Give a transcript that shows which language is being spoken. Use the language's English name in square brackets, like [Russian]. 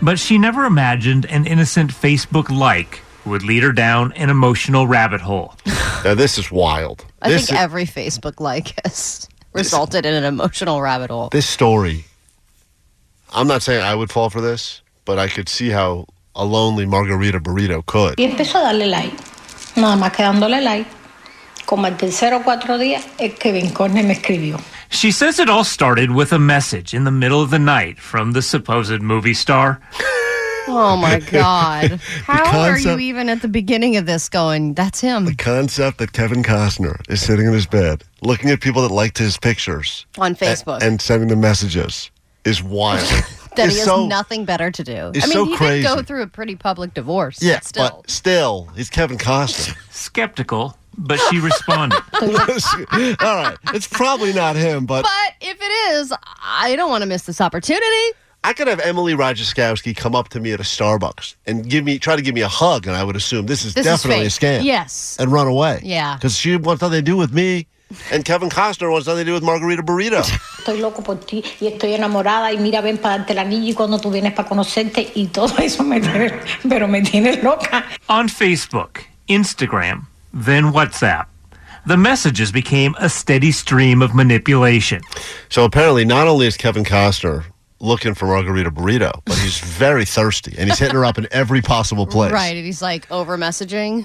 [English] But she never imagined an innocent Facebook like would lead her down an emotional rabbit hole. Now, this is wild. Every Facebook like has resulted in an emotional rabbit hole. This story, I'm not saying I would fall for this, but I could see how a lonely Margarita Burrito could. [Spanish] Y empezó a darle like. Nada más que dándole like. Como el tercero o cuatro días, es que Kevin Costner me escribió. [English] She says it all started with a message in the middle of the night from the supposed movie star. Oh, my God. How are you even at the beginning of this going, that's him? The concept that Kevin Costner is sitting in his bed, looking at people that liked his pictures. On Facebook. And sending them messages. Is wild. That he has nothing better to do. It's so crazy. I mean, he did go through a pretty public divorce. Yeah, but still. He's Kevin Costner. Skeptical, but she responded. All right, it's probably not him, but... But if it is, I don't want to miss this opportunity. I could have Emily Ratajkowski come up to me at a Starbucks and try to give me a hug, and I would assume this is definitely a scam. Yes. And run away. Yeah. Because she wants nothing to do with me. And Kevin Costner wants nothing to do with Margarita Burrito. [Spanish] Estoy loco por ti y estoy enamorada y mira ven para darte el anillo y cuando tú vienes para conocerte y todo eso me tiene loca. [English] On Facebook, Instagram, then WhatsApp, the messages became a steady stream of manipulation. So apparently, not only is Kevin Costner looking for Margarita Burrito, but he's very thirsty and he's hitting her up in every possible place. Right, and he's like over messaging.